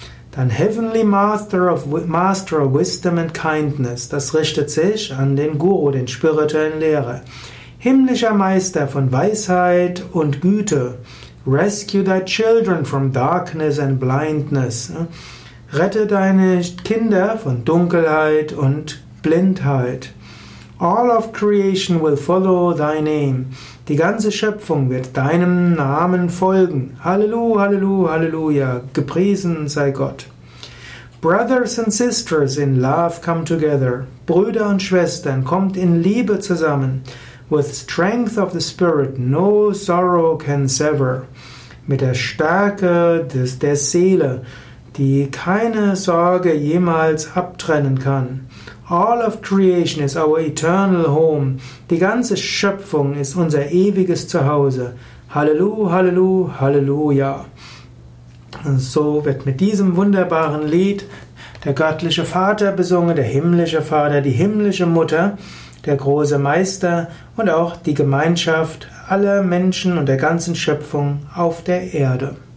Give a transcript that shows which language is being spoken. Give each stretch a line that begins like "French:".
English: Dein Heavenly Master of Wisdom and Kindness.
German: Das richtet sich an den Guru, den spirituellen Lehrer. Himmlischer Meister von Weisheit und Güte.
English: Rescue thy children from darkness and blindness.
German: Rette deine Kinder von Dunkelheit und Blindheit.
English: All of creation will follow thy name.
German: Die ganze Schöpfung wird deinem Namen folgen. Halleluja, Halleluja, Halleluja. Gepriesen sei Gott.
English: Brothers and sisters in love come together.
German: Brüder und Schwestern, kommt in Liebe zusammen.
English: With strength of the spirit no sorrow can sever.
German: Mit der Stärke der Seele, die keine Sorge jemals abtrennen kann.
English: All of creation is our eternal home.
German: Die ganze Schöpfung ist unser ewiges Zuhause. Halleluja, Halleluja, Halleluja. Und so wird mit diesem wunderbaren Lied der göttliche Vater besungen, der himmlische Vater, die himmlische Mutter, der große Meister und auch die Gemeinschaft aller Menschen und der ganzen Schöpfung auf der Erde.